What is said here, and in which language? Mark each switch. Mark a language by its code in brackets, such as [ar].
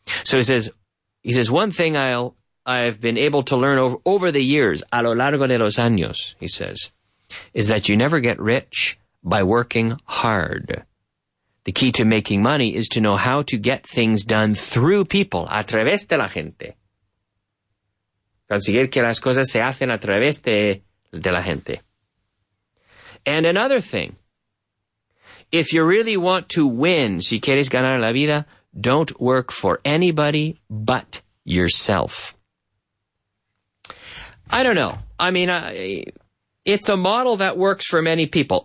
[en] So he says one thing I've been able to learn over the years, [es] a lo largo de los años, [en] he says, is that you never get rich by working hard. The key to making money is to know how to get things done through people, [es] a través de la gente. Conseguir que las cosas se hacen a través de la gente. [en] And another thing, if you really want to win, [es] si quieres ganar la vida, [en] don't work for anybody but yourself. I don't know. I mean, it's a model that works for many people.